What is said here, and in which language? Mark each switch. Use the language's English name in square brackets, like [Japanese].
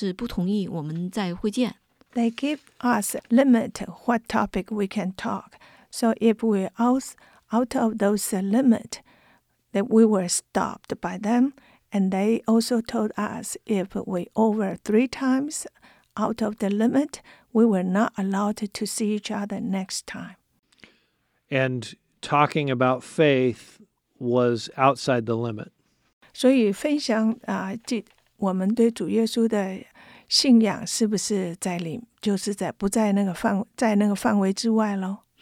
[Chinese] 他说每一句话他们都在监控。是的，他们每一句话都在监控。我们所说的话语要是超过了他们的范围，他们马上就要停止，不让你去说。而且他还有规定，他说我们要是超过了三次的话，就下次不同意我们再会见。 [English] They give us limit what topic we can talk. So if we out of those limit, that we were stopped by them, and they also told us if we over three times out of the limit, we were not allowed to see each other next time. And talking about faith was outside the limit. [Chinese] 所以分享我们对主耶稣的信仰是不是在那个范围之外喽？